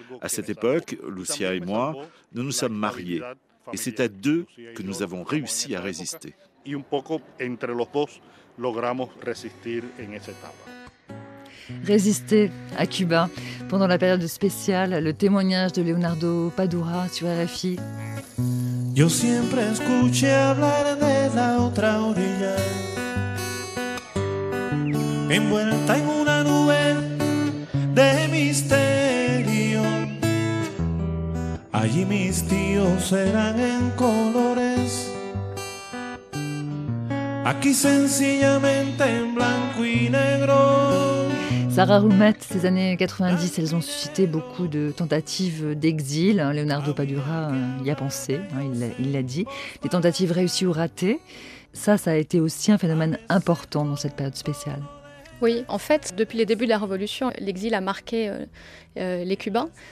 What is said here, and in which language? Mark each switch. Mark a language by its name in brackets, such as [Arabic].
[French] À cette époque, Lucia et moi, nous nous sommes mariés. Et c'est à deux que nous avons réussi à résister. Et un peu entre les deux, [Spanish] logramos [French] résister en cette étape. Résister à Cuba pendant la période spéciale, le témoignage de Leonardo Padura sur RFI. [Spanish] Yo siempre escuché hablar de la otra orilla, envuelta en una nube de misterio. Allí mis tíos eran en colores, aquí sencillamente en blanco y negro. [French] Sarah Roumet, ces années 90, elles ont suscité beaucoup de tentatives d'exil. Leonardo Padura y a pensé, il l'a dit. Des tentatives réussies ou ratées, ça a été aussi un phénomène important dans cette période spéciale. Oui, en fait, depuis les débuts de la Révolution, l'exil a marqué les Cubains.